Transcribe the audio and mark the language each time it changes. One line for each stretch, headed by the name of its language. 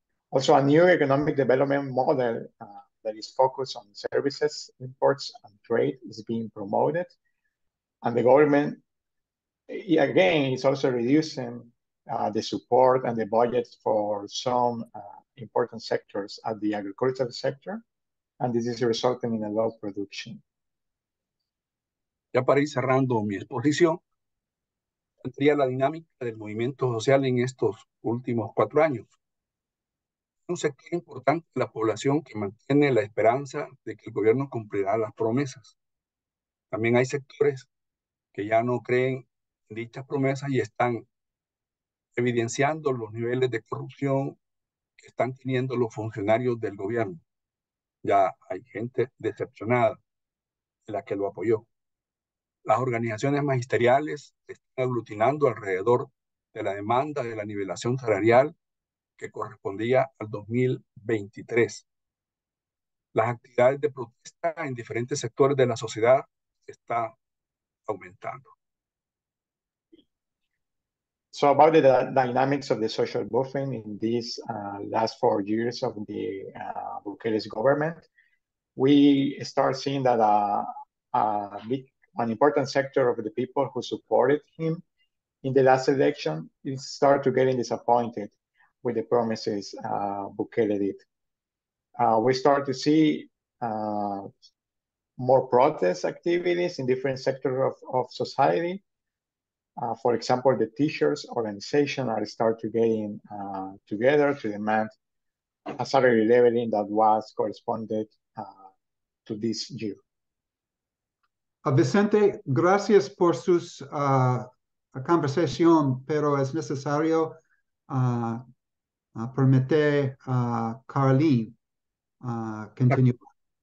English: Also a new economic development model that is focused on services, imports, and trade is being promoted. And the government, again, is also reducing the support and the budget for some important sectors at the agricultural sector. And this is resulting in a low production.
Spanish: Ya para ir cerrando mi exposición, sería la dinámica del movimiento social en estos últimos cuatro años. Un sector importante de la población que mantiene la esperanza de que el gobierno cumplirá las promesas. También hay sectores que ya no creen en dichas promesas y están evidenciando los niveles de corrupción que están teniendo los funcionarios del gobierno. Ya hay gente decepcionada de la que lo apoyó. Las organizaciones magisteriales están aglutinando alrededor de la demanda de la nivelación salarial que correspondía al 2023. Las actividades de protesta en diferentes sectores de la sociedad están aumentando.
English: So about the dynamics of the social movement in these last 4 years of the Bukele's government, we start seeing that an important sector of the people who supported him in the last election is start to getting disappointed with the promises Bukele did. We start to see more protest activities in different sectors of society. For example, the teachers' organization are start to getting together to demand a salary leveling that was corresponded to this year.
Spanish: Vicente, gracias por su conversación, pero es necesario permitir a Caroline continuar.